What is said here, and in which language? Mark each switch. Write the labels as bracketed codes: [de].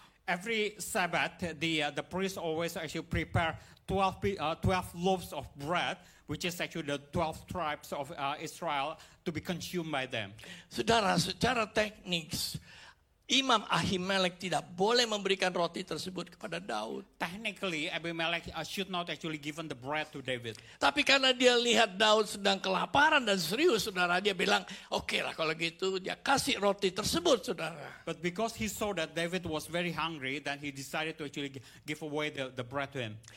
[en] Every Sabbath, the priest always actually prepare 12 loaves of bread, which is actually the 12 tribes of Israel to be consumed by them. [id] Saudara, secara teknis, Imam Ahimelek tidak boleh memberikan roti tersebut kepada Daud. [en] Technically, Abimelech should not actually given the bread to David. [id] Tapi karena dia lihat Daud sedang kelaparan dan serius, saudara, dia bilang, oke lah kalau gitu, dia kasih roti tersebut, saudara. [en] But because he saw that David was very hungry, then he decided to actually give away the bread to him.